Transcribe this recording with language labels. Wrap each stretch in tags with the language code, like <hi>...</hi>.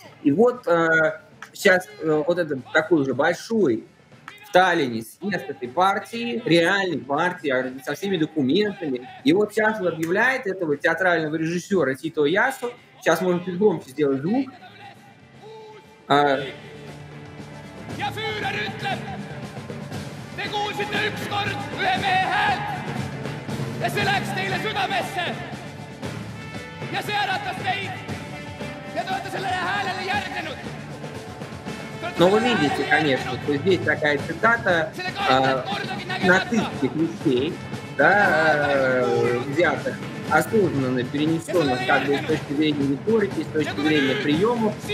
<ru>И вот сейчас вот этот такой уже большой в Таллине съезд этой партии, реальной партии, со всеми документами. И вот сейчас он объявляет этого театрального режиссера Тито Ясо. Сейчас можно чуть громче сделать звук.</ru> <et>Ja füürer ütleb, te kuulsite ükskord ühe mehe häält ja see läks teile südamesse ja see äratas teid ja te olete sellele häälele järgnenud.</et> <ru>Но вы видите, конечно, что здесь такая цитата нацистских вещей, да, взятых, осознанно перенесенных как бы с точки зрения риторики, с точки зрения приемов.</ru>